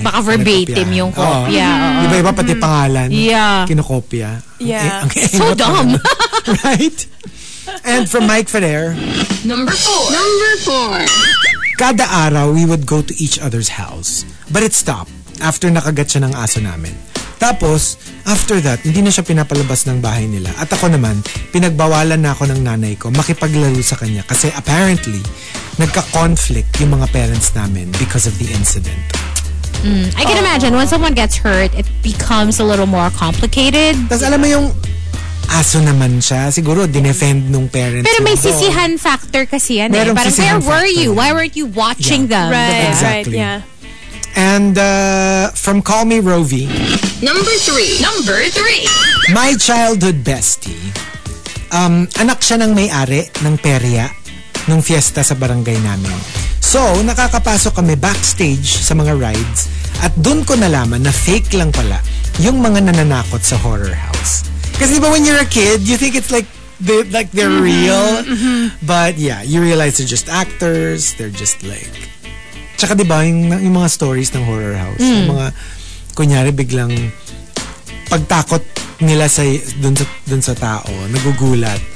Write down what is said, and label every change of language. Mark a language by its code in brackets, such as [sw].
[tl] Baka verbatim yung kopya. Iba-iba pati pangalan. [en] Yeah. [tl] Kinokopya. [en] Yeah. So dumb. Right? And from Mike Ferrer. Number 4. [tl] Kada araw, [en] we would go to each other's house. But it stopped after [tl] nakagat siya ng aso namin. Tapos, after that, hindi na siya pinapalabas ng bahay nila. At ako naman, pinagbawalan na ako ng nanay ko makipaglaro sa kanya. Kasi apparently, nagka-conflict yung mga parents namin [en] because of the incident. I can imagine when someone gets hurt, it becomes a little more complicated. [tl] Tapos alam mo yung aso naman siya, siguro dinefend nung parents. Pero may sisihan factor kasi yan. Merong sisihan factor. [en] Where were you? Why weren't you watching them? Right, exactly. Right, yeah. And from Call Me Rovi. Number 3. My childhood bestie. [tl] Anak siya ng may-ari ng Perya nung fiesta sa barangay namin. So, nakakapasok kami backstage sa mga rides at dun ko nalaman na fake lang pala yung mga nananakot sa horror house. Kasi ba [en] when you're a kid, you think it's like they're mm-hmm. real. Mm-hmm. But yeah, you realize they're just actors. They're just like... [tl] Tsaka diba yung mga stories ng horror house. Mm. Yung mga kunyari biglang pagtakot nila sa dun sa tao, nagugulat.